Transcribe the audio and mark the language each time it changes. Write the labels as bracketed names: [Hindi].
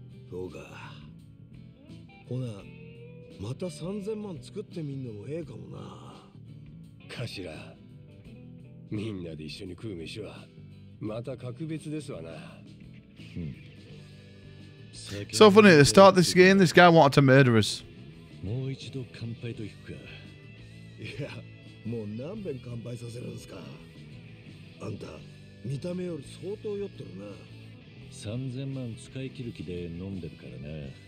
[Japanese] そうか、ほなまた3000万作ってみんのもええかもな。頭、みんなで一緒に食う飯はまた格別ですわな。 [English] So funny, to start this game, this guy wanted to murder us. [Japanese] もう一度乾杯と行くか。いや、もう何遍乾杯させるんですか。あんた、見た目より相当酔ってるな。 3000万使い切る気で飲んでるからな。